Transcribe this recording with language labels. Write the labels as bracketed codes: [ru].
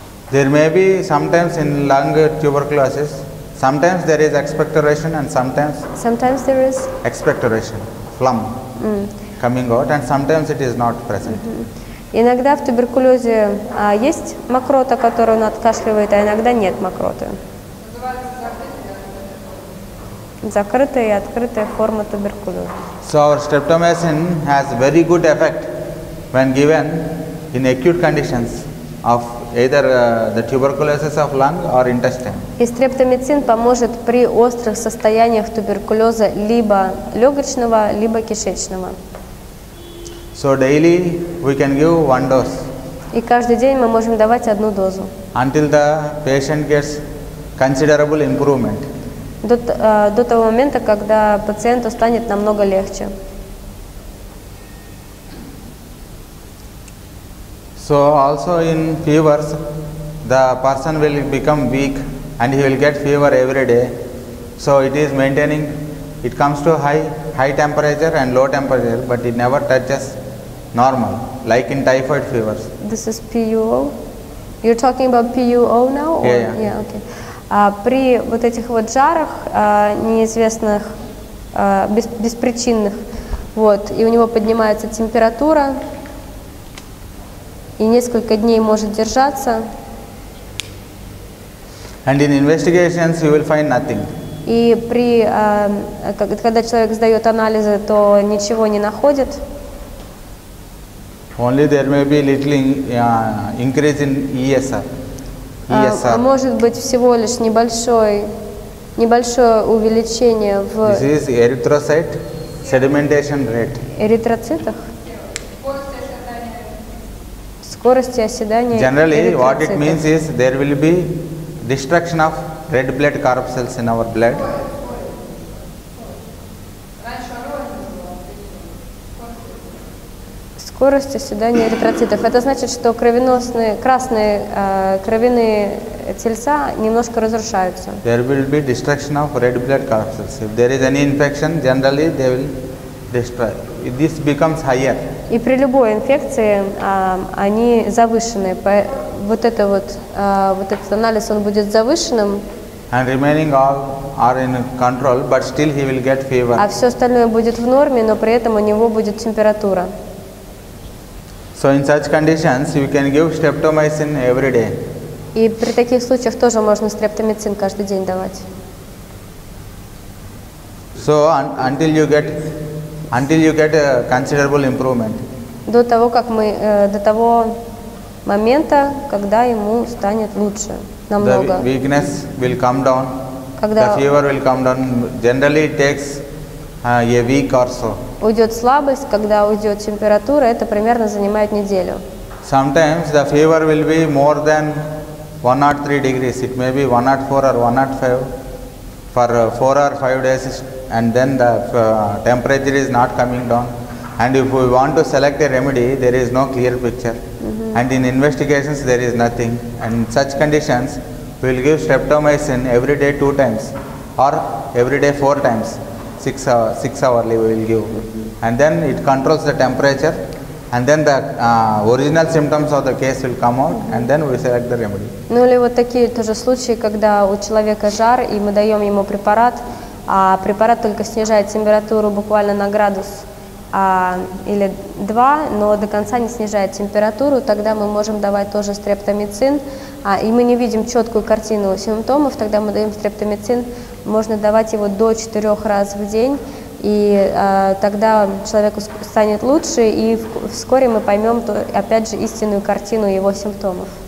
[en] There may be sometimes in lung tuberculosis, sometimes there is expectoration and sometimes there is expectoration, phlegm coming out, and sometimes it is not present. [ru] Иногда в туберкулезе есть мокрота, которую он откашливает, а иногда нет мокроты. Закрытая и открытая форма туберкулеза. [en] So our streptomycin has very good effect when given in acute conditions of either the tuberculosis of lung or intestine. [ru] И стрептомицин поможет при острых состояниях туберкулеза либо легочного, либо кишечного. [en] So daily we can give one dose. [ru] И каждый день мы можем давать одну дозу. [en] Until the patient gets considerable improvement. [ru] До того момента, когда пациенту станет намного легче. [en] So also in fevers, the person will become weak and he will get fever every day. So it is maintaining, it comes to high temperature and low temperature, but it never touches normal, like in typhoid fevers. This is PUO? You're talking about PUO now? Or? Yeah. Yeah, okay. [ru] При вот этих вот жарах, неизвестных, беспричинных, вот, и у него поднимается температура, и несколько дней может держаться. [en] And in investigations you will find nothing. [ru] И при, когда человек сдает анализы, то ничего не находит. [en] Only there may be little increase in ESR. [ru] Может быть всего лишь небольшое увеличение в... [en] This is erythrocyte sedimentation rate. [ru] Эритроцитах? Скорости оседания. [en] Generally, what it means is there will be destruction of red blood corpuscles in our blood. [ru] Скорость оседания эритроцитов. Это значит, что кровеносные, красные кровяные тельца немножко разрушаются. [en] There will be destruction of red blood corpuscles. If there is any infection, generally they will destroy. If this becomes higher. [ru] И при любой инфекции они завышены. Вот этот анализ, он будет завышенным. [en] And remaining all are in control, but still he will get fever. [ru] А все остальное будет в норме, но при этом у него будет температура. [en] So in such conditions, you can give streptomycin every day. [ru] И при таких случаях тоже можно стрептомицин каждый день давать. [en] So until you get a considerable improvement. [ru] До того момента, когда ему станет лучше, намного. [en] The weakness will come down. The fever will come down. Generally, it takes a week or so. [ru] уйдет слабость, когда уйдет температура, это примерно занимает неделю. [en] Sometimes the fever will be more than 103 degrees. It may be 104 or 105 for 4 or 5 days, and then the temperature is not coming down. And if we want to select a remedy, there is no clear picture. Mm-hmm. And in investigations, there is nothing. And in such conditions, we will give streptomycin every day 2 times or every day 4 times. 6 hourly we will give. And then it controls the temperature, and then the original symptoms of the case will come out, and then we select the remedy. [ru] Ну или вот такие тоже случаи, когда у человека жар, и мы даем ему препарат, а препарат только снижает температуру буквально на градус или два, но до конца не снижает температуру, тогда мы можем давать тоже стрептомицин, и мы не видим четкую картину симптомов, тогда мы даем стрептомицин, можно давать его до 4 раз в день, и тогда человеку станет лучше, и вскоре мы поймем, опять же, истинную картину его симптомов.